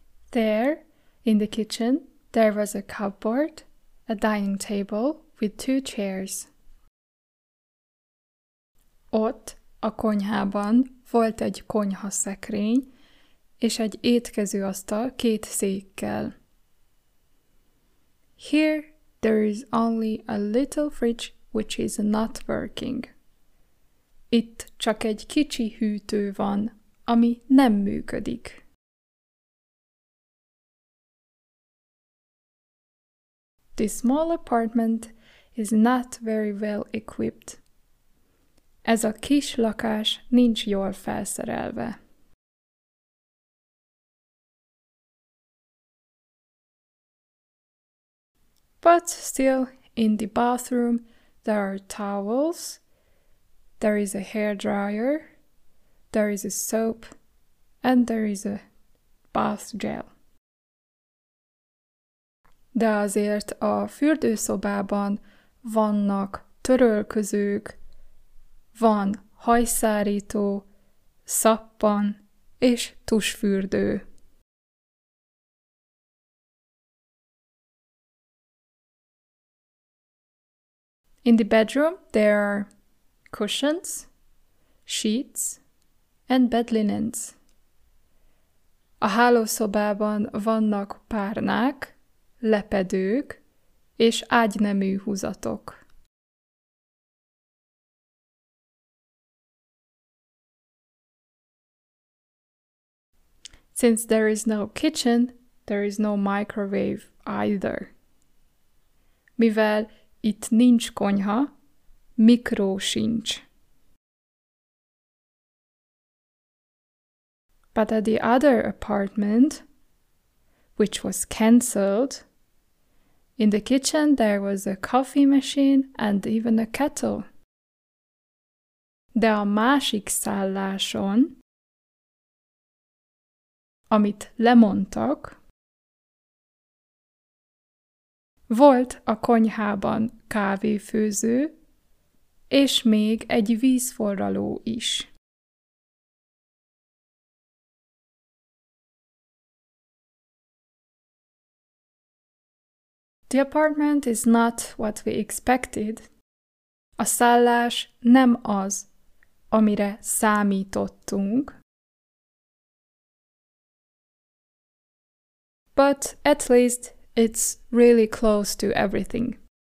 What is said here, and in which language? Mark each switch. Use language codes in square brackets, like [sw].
[en] There, in the kitchen, there was a cupboard, a dining table with 2 chairs. [hu] Ott, a konyhában volt egy konyhaszekrény és egy étkezőasztal 2 székkel. [en] Here there is only a little fridge which is not working. [hu] Itt csak egy kicsi hűtő van, ami nem működik. [en] This small apartment is not very well equipped. [hu] Ez a kis lakás nincs jól felszerelve. [en] But still, in the bathroom, there are towels, there is a hair dryer, there is a soap, and there is a bath gel. [hu] De azért a fürdőszobában vannak törölközők, van hajszárító, szappan és tusfürdő. [en] In the bedroom, there are cushions, sheets, and bed linens. [hu] A hálószobában vannak párnák, lepedők és ágynemű húzatok. [en] Since there is no kitchen, there is no microwave either. [hu] Mivel itt nincs konyha, mikró sincs. [en] But at the other apartment, which was cancelled, in the kitchen there was a coffee machine and even a kettle. [hu] De a másik szálláson, amit lemondtak, volt a konyhában kávéfőző, és még egy vízforraló is. [en] The apartment is not what we expected. [hu] A szállás nem az, amire számítottunk. [en] But at least it's really close to everything.